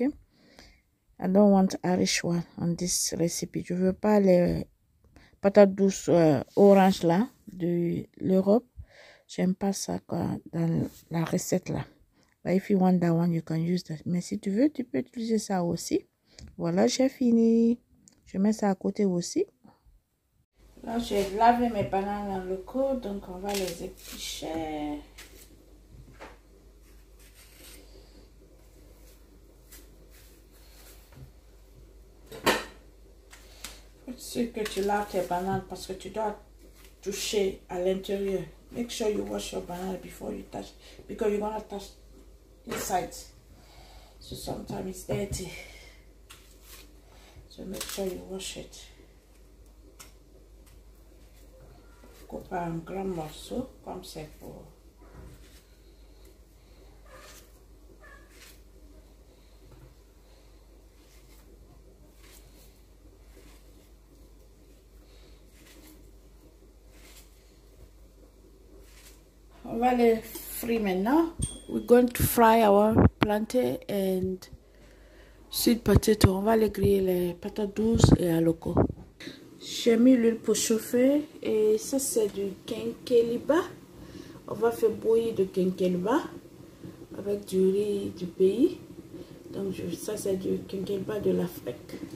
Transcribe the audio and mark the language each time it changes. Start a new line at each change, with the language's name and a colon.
English: I don't want Irish one on this recipe.
French: Je veux pas les patates douces orange là de l'Europe. J'aime pas ça quoi dans la recette là.
English: But if you want that one, you can use that.
French: Mais si tu veux, tu peux utiliser ça aussi. Voilà, j'ai fini. Je mets ça à côté aussi. Là, j'ai lavé mes bananes dans le coude, donc on va les éplucher. C'est que tu laves tes bananes parce que tu dois toucher à l'intérieur.
English: Make sure you wash your banana before you touch. Because you're gonna touch inside. So sometimes it's dirty. So make sure you wash it.
French: Coupe un grand morceau comme c'est pour. On va les frire maintenant.
English: We're going to fry our plantain and sweet potato.
French: On va les griller les patates douces et aloco. J'ai mis l'huile pour chauffer et ça c'est du quinqueliba. On va faire bouillir de quinqueliba avec du riz du pays. Donc ça c'est du quinqueliba de l'Afrique.